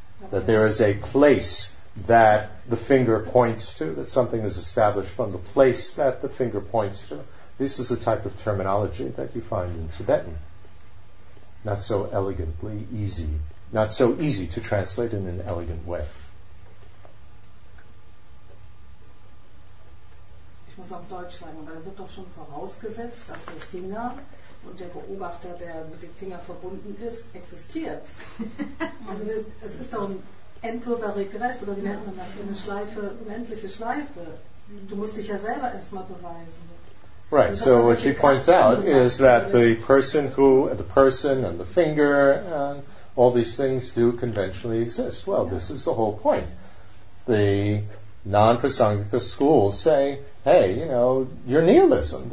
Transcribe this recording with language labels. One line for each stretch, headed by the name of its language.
English: That there is a place that the finger points to, that something is established from the place that the finger points to. This is the type of terminology that you find in Tibetan. Not so elegantly easy, not so easy to translate in an elegant way.
German: Ich muss auf Deutsch sagen, weil da wird doch schon vorausgesetzt, dass der Finger und der Beobachter, der mit dem Finger verbunden ist, existiert. Also das ist doch ein endloser Regress, oder wie nennt man das, so eine Schleife, unendliche Schleife. Du musst dich ja selber erstmal beweisen.
English: Right, so what she points out is that the person and the finger and all these things do conventionally exist. Well, this is the whole point. The non-prasangika schools say, hey, you know, you're nihilism.